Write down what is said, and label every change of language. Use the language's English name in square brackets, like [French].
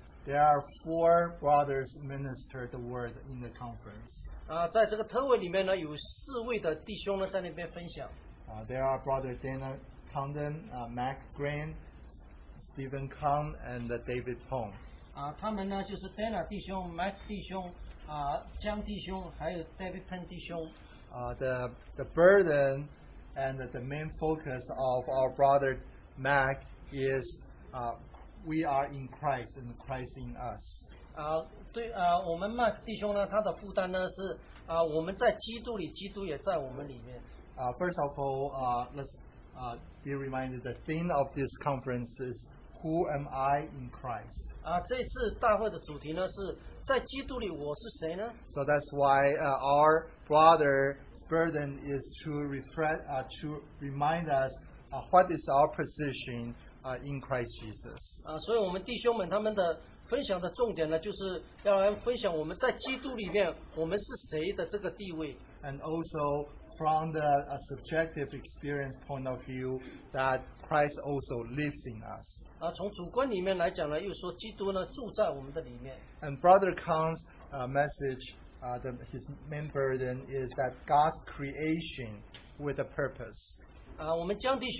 [English] There are four brothers minister the word in the conference. [Chinese] 在这个特会里面呢，有四位的弟兄呢在那边分享。 [English] There are Brother Dana Condon, Mac Grant, Stephen Kong, and David Pong. [Chinese] 他们呢就是 Dana 弟兄, Mac 弟兄, Jiang 弟兄, 还有 David Pong 弟兄。 [English] The burden and the main focus of our brother Mac is we are in Christ and Christ in us. [Chinese] 我们 Mark 弟兄呢，他的负担呢是我们在基督里，基督也在我们里面。 [English] First of all, let's be reminded the theme of this conference is Who am I in Christ? [Chinese] 这次大会的主题呢是 在基督里我是谁呢? [English] So that's why our brother's burden is to reflect, to remind us what is our position in Christ Jesus. [Chinese] 所以我们弟兄们他们的分享的重点呢，就是要来分享我们在基督里面我们是谁的这个地位。 [English] And also from the subjective experience point of view that Christ also lives in us. [Chinese] 从主观里面来讲呢，又说基督呢住在我们的里面。 [English] And Brother Kang's message, his main burden is that God's creation with a purpose.